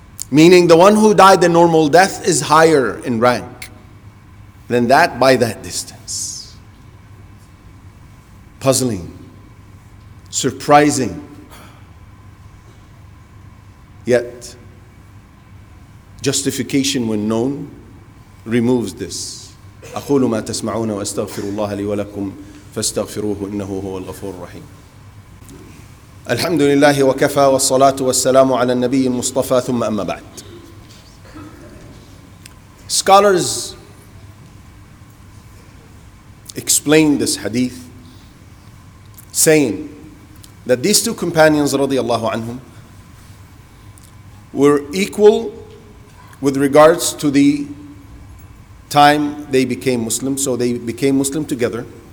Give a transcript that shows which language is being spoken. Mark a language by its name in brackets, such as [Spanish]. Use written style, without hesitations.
[English] Meaning the one who died the normal death is higher in rank than that by that distance. Puzzling, surprising. Yet, justification when known removes this. [Arabic] أقول ما تسمعون وأستغفر الله لي ولكم فاستغفروه إنه هو الغفور الرحيم. الحمد لله وكفى والصلاة والسلام على النبي المصطفى ثم أما بعد. [English] Scholars explain this hadith saying that these two companions [Arabic] رضي الله عنهم [English] were equal with regards to the time they became Muslim. So they became Muslim together.